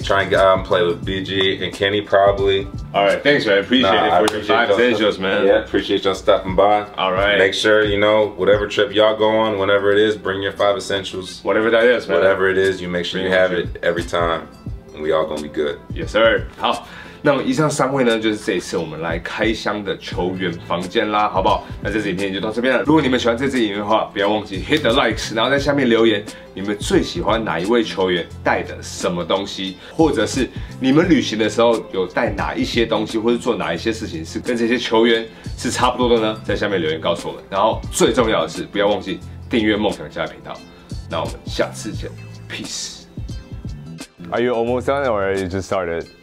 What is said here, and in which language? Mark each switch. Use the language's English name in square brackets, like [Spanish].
[English] Try and play with BG and Kenny, probably. All right, thanks, man. Appreciate it for your five angels, man. Yeah, appreciate y'all stopping by. All right. Make sure, you know, whatever trip y'all go on, whenever it is, bring your five essentials. Whatever that is, man. Whatever it is, you make sure you have it every time. And we all gonna be good. Yes, sir. 好。 [Chinese] 那以上三位呢，就是这次我们来开箱的球员房间啦，好不好？那这支影片就到这边了。如果你们喜欢这支影片的话，不要忘记 [English] hit the likes， [Chinese] 然后在下面留言，你们最喜欢哪一位球员带的什么东西，或者是你们旅行的时候有带哪一些东西，或是做哪一些事情是跟这些球员是差不多的呢？在下面留言告诉我们。然后最重要的是，不要忘记订阅梦想家的频道。那我们下次见 ，peace。 [English] Are you almost done or you just started?